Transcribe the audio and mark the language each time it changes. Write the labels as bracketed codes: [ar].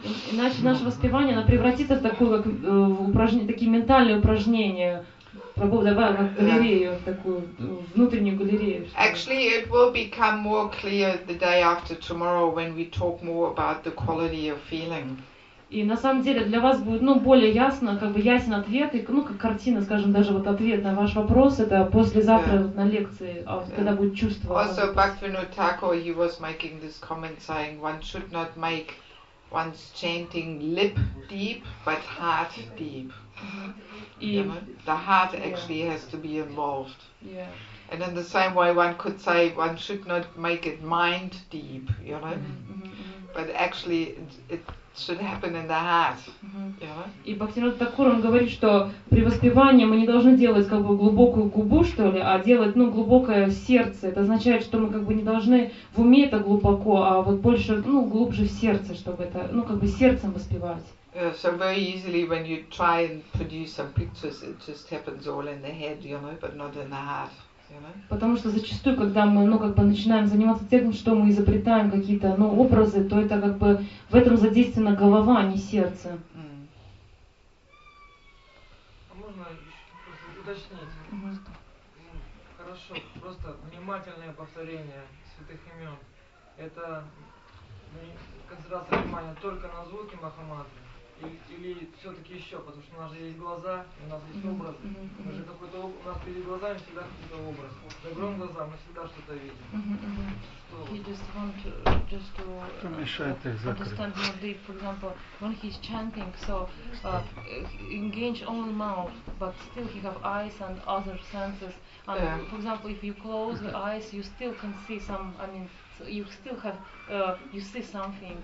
[ru] Иначе наше воспевание оно превратится в такую как упражнение, такие ментальные упражнения, пробовать как галерею, такую внутреннюю галерею. [en] Actually, it will become more clear the day after tomorrow when we talk more about the quality of feeling. [ru] И на самом деле для вас будет, ну, более ясно, как бы ясен ответ, и, ну, как картина, скажем, даже вот ответ на ваш вопрос, это послезавтра вот на лекции, когда будет чувство. [en] Also, Bhaktivinoda Thakur, he was making this comment saying, one should not make one's chanting lip deep, but heart deep. The heart actually has to be involved. Yeah. And in the same way, one could say, one should not make it mind deep, you know? But actually, it should happen in the heart. [ru] И Бхактинода Такур он говорит, что при воспевании мы не должны делать как бы глубокую губу, что ли, а делать, ну, глубокое сердце. Это означает, что мы как бы не должны в уме это глубоко, а вот больше, ну, глубже в сердце, чтобы это, ну, как бы сердцем воспевать. [en] So very easily when you try and produce some pictures, it just happens all in the head, you know, but not in the heart. [ru] Потому что зачастую, когда мы, ну, как бы начинаем заниматься тем, что мы изобретаем какие-то, ну, образы, то это как бы в этом задействована голова, а не сердце. А можно просто уточнить? Хорошо, просто внимательное повторение святых имен. Это концентрация внимания только на звуки Махамантры. Или все-таки еще, потому что у нас же есть глаза, у нас есть образ. Мы же какой-то, у нас перед глазами всегда какой-то образ. Закроем глаза, мы всегда что-то видим. [en] Understand more deep. For example, when he's chanting, so engage only mouth, but still he have eyes and other senses. And for example, if you close the eyes, you still can see some. I mean, so you still have you see something.